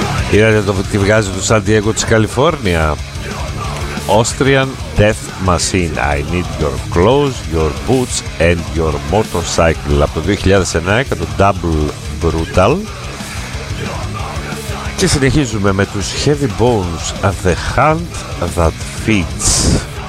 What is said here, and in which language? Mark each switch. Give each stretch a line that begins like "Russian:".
Greek: Είδατε το τι βγάζει το San Diego της Καλιφόρνια.
English: Austrian Death Machine. I need your clothes, your boots and your motorcycle.
Greek: Από το 2009 το Double Brutal. Και συνεχίζουμε με τους Heavy Bones, The Hand That Feeds.